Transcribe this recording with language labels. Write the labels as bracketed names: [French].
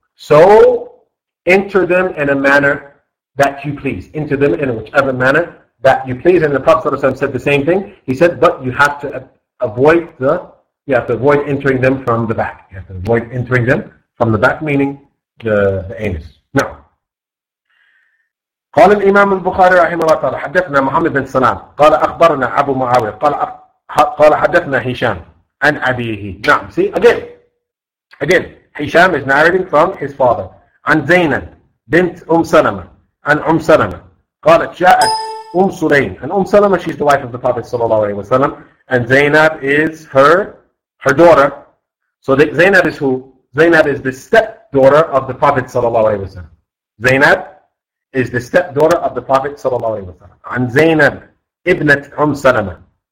[English] So enter them in a manner that you please. Enter them in whichever manner that you please. And the Prophet sallallahu alaihi wasallam said the same thing. He said, but you have to avoid the, you have to avoid entering them from the back. You have to avoid entering them from the back, meaning the anus. [Arabic] Now, قال الإمام البخاري رحمه الله تعالى حدثنا محمد بن سلام قال أخبرنا أبو معاوية قال حدثنا هشام عن أبيه. [English] نعم. See again. Again, Hisham is narrating from his father. [Arabic] عن زينب بنت سلمة عن سلمة قالت جاءت سليم. [English] And سلمة, she's the wife of the Prophet صلى الله عليه وسلم. And Zainab is her daughter. So Zainab is who? Zainab is the stepdaughter of the Prophet صلى الله عليه وسلم. Zainab is the stepdaughter of the Prophet صلى الله عليه وسلم. [Arabic] عن زينب ابنت سلمة.